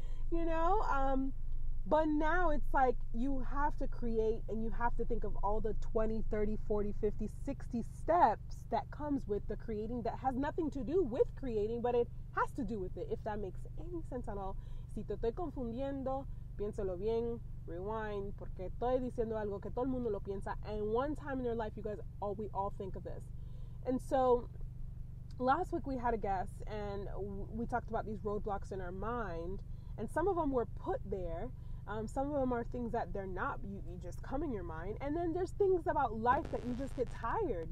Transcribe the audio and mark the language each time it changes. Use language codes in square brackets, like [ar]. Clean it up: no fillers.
[en] You know? But now it's like you have to create and you have to think of all the 20, 30, 40, 50, 60 steps that comes with the creating that has nothing to do with creating, but it has to do with it, if that makes any sense at all. [es] Si te estoy confundiendo, piénsalo bien, [en] rewind, [es] porque estoy diciendo algo que todo el mundo lo piensa. [en] And one time in your life, you guys, we all think of this. And so last week we had a guest and we talked about these roadblocks in our mind, and some of them were put there. Some of them are things that they're not, you just come in your mind. And then there's things about life that you just get tired.